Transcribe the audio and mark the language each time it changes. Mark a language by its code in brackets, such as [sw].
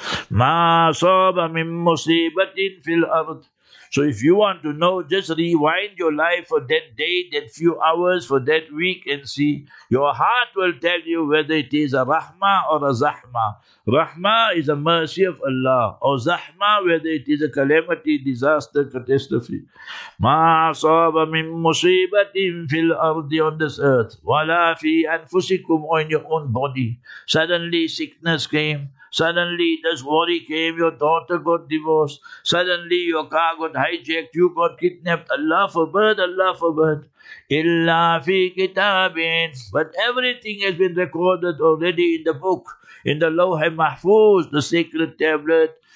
[ar] مَا صَابَ مِن مُصِيبَةٍ فِي الْأَرْضِ. [en] So if you want to know, just rewind your life for that day, that few hours, for that week, and see. Your heart will tell you whether it is a rahmah or a zahmah. Rahmah is a mercy of Allah. Or zahmah, whether it is a calamity, disaster, catastrophe. [ar] مَا صَابَ مِن مُصِيبَةٍ فِي الْأَرْضِ, [en] on this earth. [ar] وَلَا فِي أَنفُسِكُمْ, [en] or in your own body. Suddenly sickness came. Suddenly this worry came, your daughter got divorced. Suddenly your car got hijacked, you got kidnapped. Allah forbid. [ar] Illa fi kitabin. [en] But everything has been recorded already in the book, in the Lawha Mahfuz, the sacred tablet.